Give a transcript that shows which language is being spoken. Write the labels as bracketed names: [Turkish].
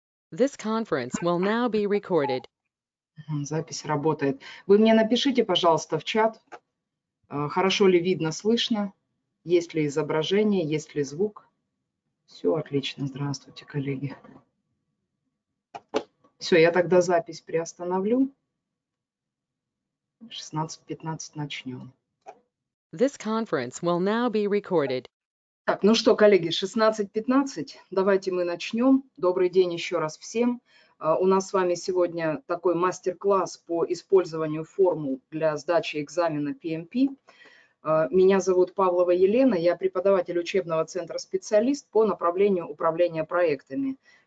[English] This conference will now be recorded. [Russian] Запись работает. Вы мне напишите, пожалуйста, в чат, хорошо ли видно, слышно, есть ли изображение, есть ли звук. Все отлично. Здравствуйте, коллеги. Все, я тогда запись приостановлю. 16:15 начнем. [English] This conference will now be recorded. [Russian] Так, ну что, коллеги, 16:15, давайте мы начнем. Добрый день еще раз всем. У нас с вами сегодня такой мастер-класс по использованию формул для сдачи экзамена PMP. Меня зовут Павлова Елена, я преподаватель учебного центра «Специалист» по направлению управления проектами.